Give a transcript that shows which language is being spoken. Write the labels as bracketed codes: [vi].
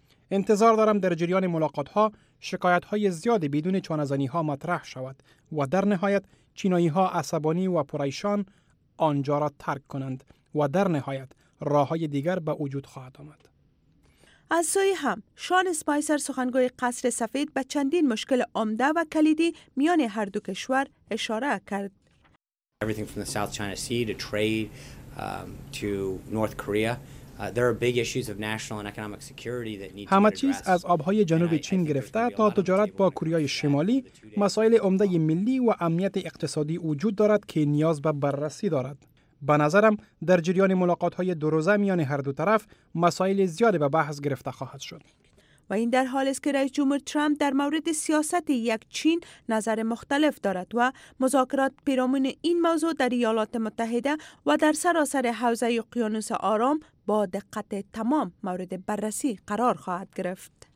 [fa] انتظار دارم در جریان ملاقات‌ها شکایت‌های زیادی بدون چانه‌زنی‌ها مطرح شود و در نهایت چینایی‌ها عصبانی و پرایشان آنجا را ترک کنند و در نهایت راه‌های دیگر به وجود خواهد آمد. از سوی هم شان اسپایسر سخنگوی قصر سفید به چندین مشکل عمده و کلیدی میان هر دو کشور اشاره کرد. [en] Everything from the South China Sea to trade to North Korea, there are big issues of national and economic security that need to be addressed. [fa] همه چیز از آب‌های جنوب چین گرفته تا تجارت با کره شمالی، مسائل عمده ملی و امنیت اقتصادی وجود دارد که نیاز به بررسی دارد. به نظرم در جریان ملاقات‌های دو روزه میان هر دو طرف مسائل زیادی به بحث گرفته خواهد شد. و این در حال است که رئیس جمهور ترامپ در مورد سیاست یک چین نظر مختلف دارد و مذاکرات پیرامون این موضوع در ایالات متحده و در سراسر حوزه اقیانوس آرام با دقت تمام مورد بررسی قرار خواهد گرفت.